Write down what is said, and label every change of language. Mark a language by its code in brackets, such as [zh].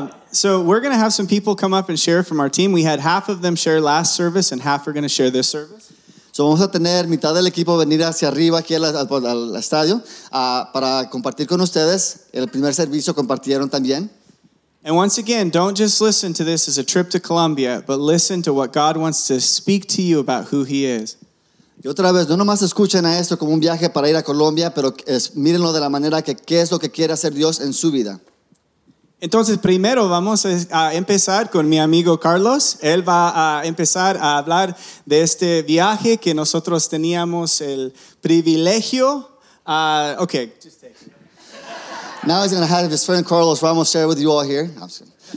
[en] So we're going to have some people come up and share from our team. We had half of them share last service, and half are going to share this service. [es] So vamos a tener mitad del equipo venir hacia arriba aquí al estadio para compartir con ustedes. El primer servicio compartieron también. [en] And once again, don't just listen to this as a trip to Colombia, but listen to what God wants to speak to you about who he is. [es] Y otra vez, no nomás escuchen a esto como un viaje para ir a Colombia, pero es, mírenlo de la manera que qué es lo que quiere hacer Dios en su vida. Entonces, primero vamos a empezar con mi amigo Carlos. Él va a empezar a hablar de este viaje que nosotros teníamos el privilegio. [en] Okay. Now he's going to have his friend Carlos Ramos share with you all here. I'm sorry.